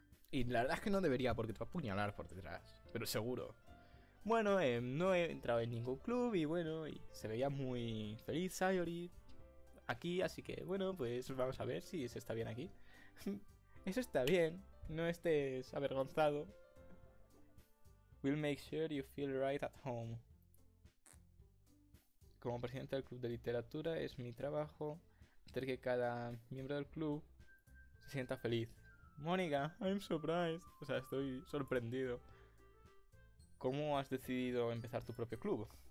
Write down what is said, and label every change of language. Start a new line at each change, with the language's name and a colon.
Spanish: Y la verdad es que no debería porque te va a apuñalar por detrás. Pero seguro. Bueno, no he entrado en ningún club y bueno, y se veía muy feliz Sayori aquí, así que bueno, pues vamos a ver si se está bien aquí. Eso está bien, no estés avergonzado.
English: We'll make sure you feel right at home.
Spanish: Como presidente del club de literatura, es mi trabajo hacer que cada miembro del club se sienta feliz. Mónica,
English: I'm surprised.
Spanish: O sea, estoy sorprendido. ¿Cómo has decidido empezar tu propio club?